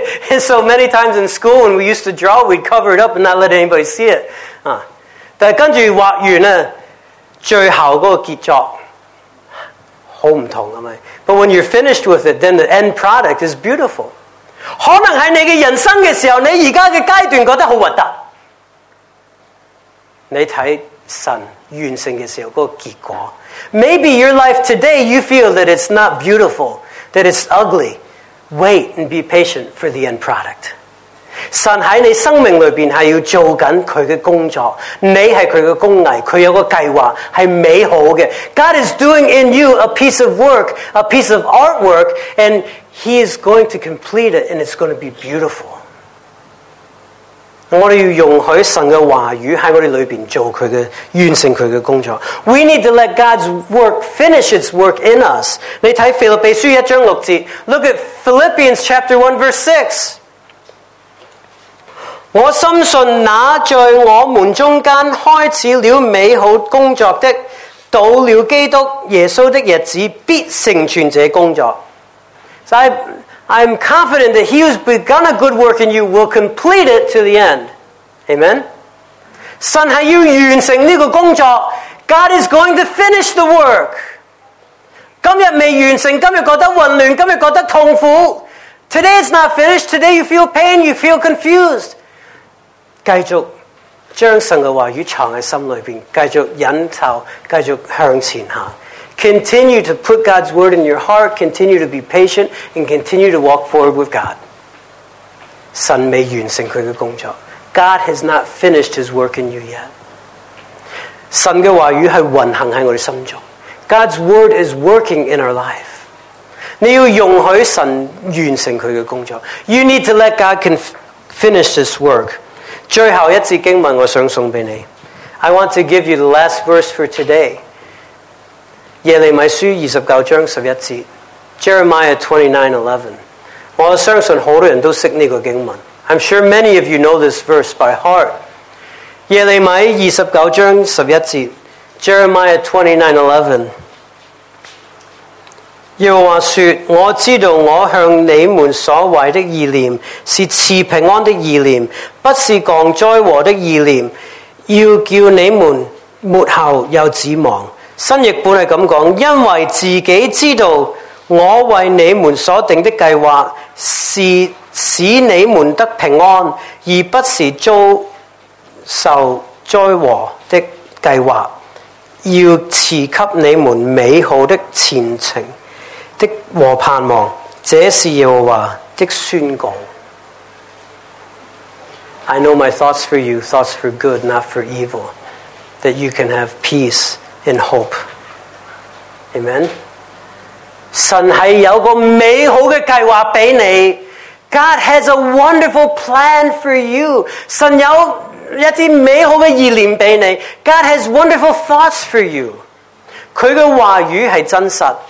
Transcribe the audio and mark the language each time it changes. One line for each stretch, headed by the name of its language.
English: And so many times in school, when we used to draw, we'd cover it up and not let anybody see it.
Chinese: 但跟着画完呢，最后那个结作，好不同，是吧？
English: But when you're finished with it, then the end product is beautiful.
Chinese: 可能在你的人生的时候，你现在的阶段觉得很噁心。你看神完成的时候那个结果。
English: Maybe your life today, you feel that it's not beautiful, that it's ugly. Wait and be patient for the end product.
Chinese: 神在你生命里面是要做他的工作，你是他的工艺，他有个计划是美好的。
English: God is doing in you a piece of work, a piece of artwork, and he is going to complete it, and it's going to be beautiful.
Chinese: 我们要容许神的话语在我们里面做他的，完成他的工作。
English: We need to let God's work finish its work in us.
Chinese: 你看腓立比书一章六节，
English: Look at Philippians chapter 1 verse 6。
Chinese: 我深信那在我们中间开始了美好工作的，到了基督耶稣的日子必成全这工作。
English: So I'm confident that he who's begun a good work in you will complete it to the end. Amen.
Chinese: 神是要完成这个工作。
English: God is going to finish the work.
Chinese: 今天未完成，今天觉得混乱，今天觉得痛苦。
English: Today it's not finished. Today you feel pain, you feel confused.
Chinese: 继续将神的话语藏在心里面，继续引导，继续向前行。
English: Continue to put God's word in your heart, continue to be patient, and continue to walk forward with God.
Chinese: 神未完成他的工作。
English: God has not finished his work in you yet.
Chinese: 神的话语是运行在我们心中。
English: God's word is working in our life.
Chinese: 你要容许神完成他的工作。
English: You need to let God finish this work.
Chinese: 最后一节经文我想送给你。
English: I want to give you the last verse for today.
Chinese: 耶利米书二十九章十一节， Jeremiah 29:11。 我相信很多人都识这个经文。
English: I'm sure many of you know this verse by heart.
Chinese: 耶利米二十九章十一节，
English: Jeremiah 29:11。
Chinese: 耶和华说，我知道我向你们所怀的意念是赐平安的意念，不是降灾祸的意念，要叫你们末后有指望。新译本是这么说，因为自己知道我为你们所定的计划是使你们得平安，而不是遭受灾祸的计划，要赐给你们美好的前程的和盼望，这是耶和华的宣告。
English: I know my thoughts for you, thoughts for good, not for evil, that you can have peace and hope. Amen.
Chinese: 神是有个美好的计划给你。
English: God has a wonderful plan for you.
Chinese: 神有一些美好的意念给你。
English: God has wonderful thoughts for you.
Chinese: 祂的话语是真实。